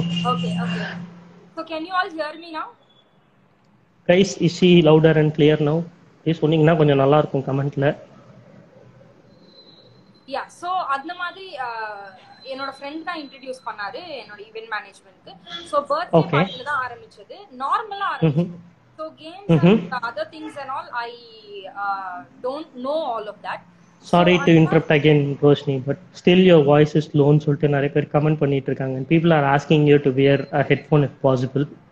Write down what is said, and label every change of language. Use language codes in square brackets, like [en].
[en] okay, so can you all hear me now? Guys, is she louder and clear now? [ta] Please சொன்னீங்க கொஞ்சம் நல்லா இருக்கும் கமெண்ட்ல. Yeah, so அந்த மாதிரி என்னோட ஃப்ரெண்ட் தான் இன்ட்ரடியூஸ் பண்ணாரு என்னோட ஈவென்ட் மேனேஜ்மெண்ட்க்கு. சோ பர்த்டே பார்ட்டில தான் ஆரம்பிச்சது, நார்மலா ஆரம்பிச்சது. [en] So games and other things and all I don't know all of that. Sorry to interrupt again Roshni, but still your voice is low [ta] சொல்லிட்டு நிறைய பேர் கமெண்ட் பண்ணிட்டு இருக்காங்க. [en] And people are asking you to wear a headphone if possible.